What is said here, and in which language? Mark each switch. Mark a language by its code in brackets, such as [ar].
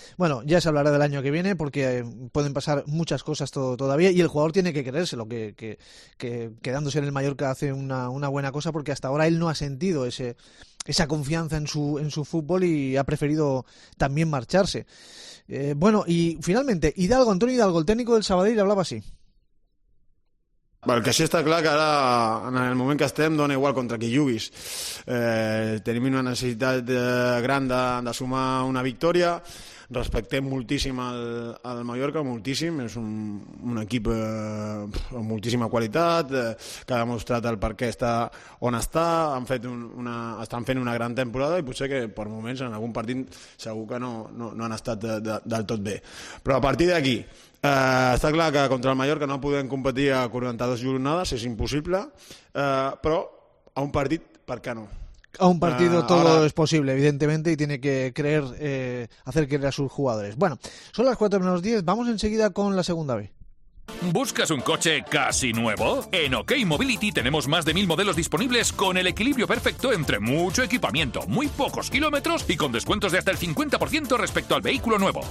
[es] Bueno, ya se hablará del año que viene, porque pueden pasar muchas cosas todavía, y el jugador tiene que creérselo, que quedándose en el Mallorca hace una buena cosa, porque hasta ahora él no ha sentido esa confianza en su fútbol y ha preferido también marcharse. Bueno, y finalmente, Hidalgo, Antonio Hidalgo, el técnico del Sabadell, hablaba así. [ca] Bueno, el que sí está claro que ahora, en el moment que estem, dona igual contra qui juguis. Tenim una necessitat gran de sumar una victòria. Respectem moltíssim al Mallorca, moltíssim. És un equip amb moltíssima qualitat, que ha demostrat el perquè està on està. Han fet estan fent una gran temporada i potser que per moments en algun partit segur que no han estat del tot bé. Però a partir d'aquí, està clar que contra el Mallorca no podem competir a 42 jornades, és impossible, però a un partit, per què no? [es] A un partido todo ahora es posible, evidentemente, y tiene que creer, hacer creer a sus jugadores. Bueno, son las 4 menos 10, vamos enseguida con la segunda B. ¿Buscas un coche casi nuevo? En OK Mobility tenemos más de 1000 modelos disponibles con el equilibrio perfecto entre mucho equipamiento, muy pocos kilómetros y con descuentos de hasta el 50% respecto al vehículo nuevo.